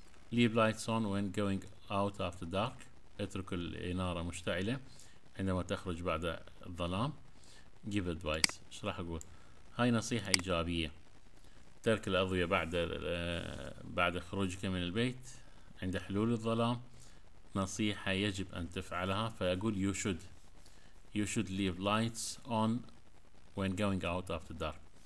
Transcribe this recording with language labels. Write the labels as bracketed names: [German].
[English] Leave lights on when going out after dark. [Arabic] اترك الإنارة مشتعلة عندما تخرج بعد الظلام. [English] Give advice [Arabic] ايش راح أقول؟ هاي نصيحة إيجابية. ترك الأضوية بعد خروجك من البيت عند حلول الظلام نصيحة يجب أن تفعلها. فأقول [English] you should leave lights on when going out after dark.